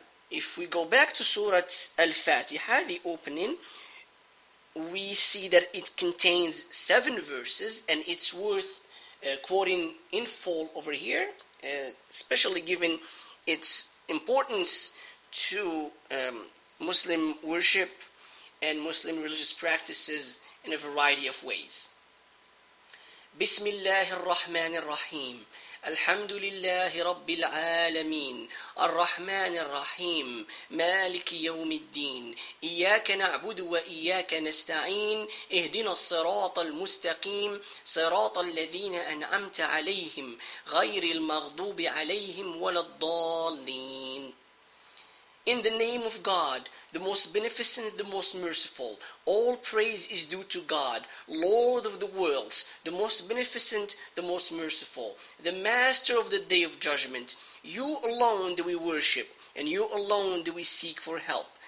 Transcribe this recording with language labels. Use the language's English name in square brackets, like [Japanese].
[English] If we go back to Surah Al-Fatiha, the opening, we see that it contains seven verses, and it's worth quoting in full over here, especially given its importance to Muslim worship and Muslim religious practices in a variety of ways. [Arabic] بسم الله الرحمن الرحيم الحمد لله رب العالمين الرحمن الرحيم مالك يوم الدين إياك نعبد وإياك نستعين اهدنا الصراط المستقيم صراط الذين أنعمت عليهم غير المغضوب عليهم ولا الضالين. [English] In the name of God, the most beneficent, the most merciful. All praise is due to God, Lord of the worlds, the most beneficent, the most merciful, the master of the day of judgment. You alone do we worship, and you alone do we seek for help.